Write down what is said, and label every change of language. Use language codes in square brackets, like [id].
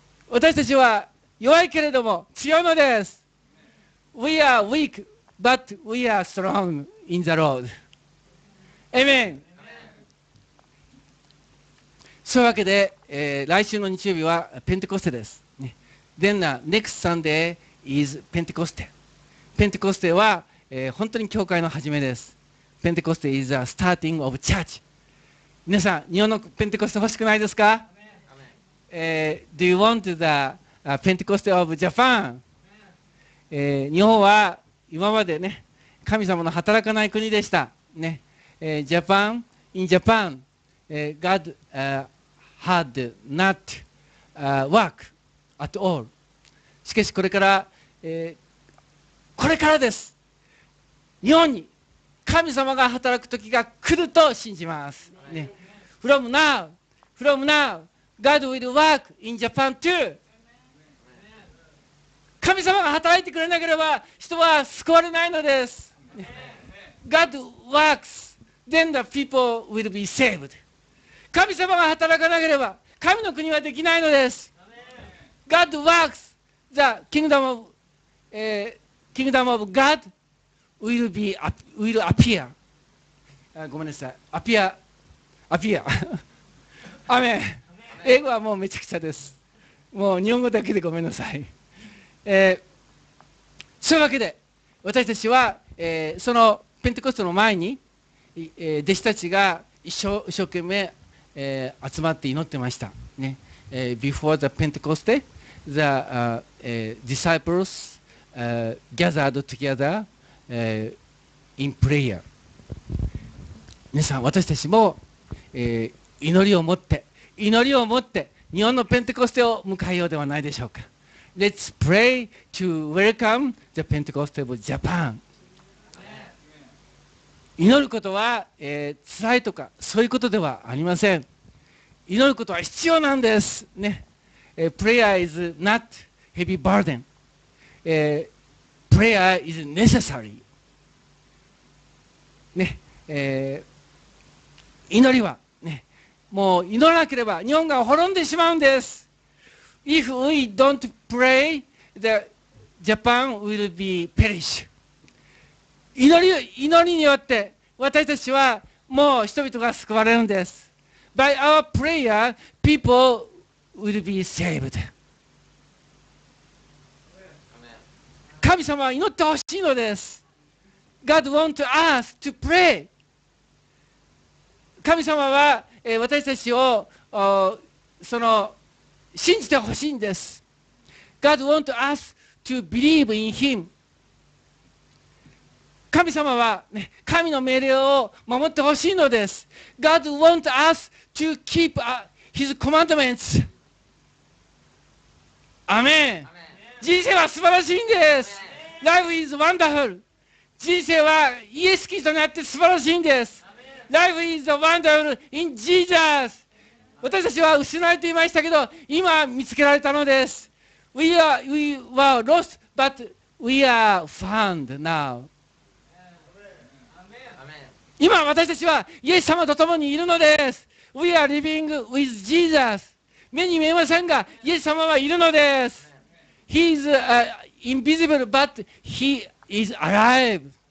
[ja] 私たちは弱いけれども強いのです。 [en] We are weak, but we are strong in the Lord. Amen. [ja] そういうわけで、来週の日曜日はペンテコステです。 [en] Then the next Sunday is Pentecost. Pentecost [ja] は、本当に教会の始めです。 [en] Pentecost is the starting of church. [ja] 皆さん、日本のペンテコステ欲しくないですか？ [en] Do you want the Pentecost of Japan? [ja] 日本は今までね、神様の働かない国でした。 [en] ね、Japan, in Japan, God, had not, work at all. [ja] しかしこれから、これからです。日本に神様が働く時が来ると信じます。 [en] ね、from now, from now, God will work in Japan too. [ja] 神様が働いてくれなければ人は救われないのです。 [en] God works, then the people will be saved. [ja] 神様が働かなければ神の国はできないのです。 [en] God works, the kingdom of,、kingdom of God will be, will appear. [ja] ごめんなさい。 [en] appear. [ja] アメン。英語はもうめちゃくちゃです。もう日本語だけでごめんなさい。そういうわけで、私たちは、そのペンテコストの前に、弟子たちが一生懸命集まって祈ってました、ね [en] Before the Pentecost, the disciples gathered together in prayer. [ja] 皆さん、私たちも、祈りを持って、日本のペンテコステを迎えようではないでしょうか。 [en] Let's pray to welcome the Pentecost of Japan. [ja] 祈ることは、辛いとか、そういうことではありません。祈ることは必要なんです。 [en] ね、Prayer is not heavy burden. Prayer is necessary. [ja] ね、祈りは、ね、もう祈らなければ日本が滅んでしまうんです。 [en] If we don't pray, the Japan will be perish. [ja] 祈りによって私たちはもう人々が救われるんです。 [en] By our prayer, people will be saved. [ja] 神様は祈ってほしいのです。 [en] God wants us to pray. [ja] 神様は、私たちをその信じてほしいんです。 [en] God wants us to believe in Him. [ja] 神様は、ね、神の命令を守ってほしいのです。 [en] God wants us toTo keep his commandments. [ja] アメン。人生は素晴らしいんです。 [en] Life is wonderful. [ja] 人生はイエス・キリストにあって素晴らしいんです。 [en] Life is wonderful in Jesus. [ja] 私たちは失われていましたけど、今見つけられたのです。 [en] We were lost, but we are found now. [ja] アメン。今私たちはイエス様と共にいるのです。 [en] We are living with Jesus. [ja] 目に見えませんが、イエス様はいるのです。 [en] He is invisible, but he is alive.